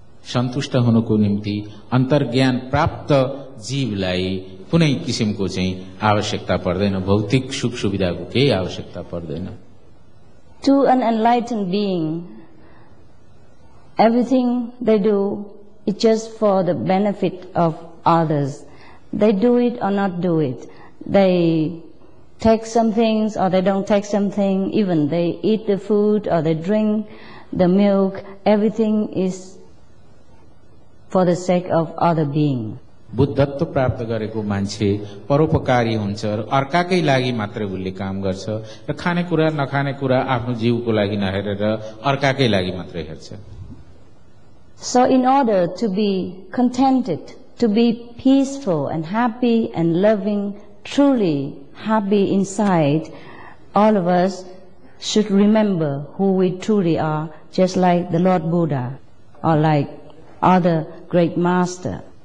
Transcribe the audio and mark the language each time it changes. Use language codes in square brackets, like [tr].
[ne] सन्तुष्ट हुनुको निम्ति अन्तर्ज्ञान प्राप्त जीवलाई कुनै किसिमको चाहिँ आवश्यकता पर्दैन, भौतिक सुख सुविधाको केही आवश्यकता पर्दैन. [en] To an enlightened being, everything they do is just for the benefit of others. They do it or not do it. They take some things or they don't take something. Even they eat the food or they drink the milk. Everything is for the sake of other being. [ne] बुद्धत्व प्राप्त गरेको मान्छे परोपकारी हुन्छ, अर्काकै लागि मात्र उसले काम गर्छ, र खाने कुरा नखाने कुरा आफ्नो जीवको लागि नहेरेर अर्काकै लागि मात्र हेर्छ. [en] So in order to be contented, to be peaceful and happy and loving, truly happy inside, all of us should remember who we truly are, just like the Lord Buddha or like other great master.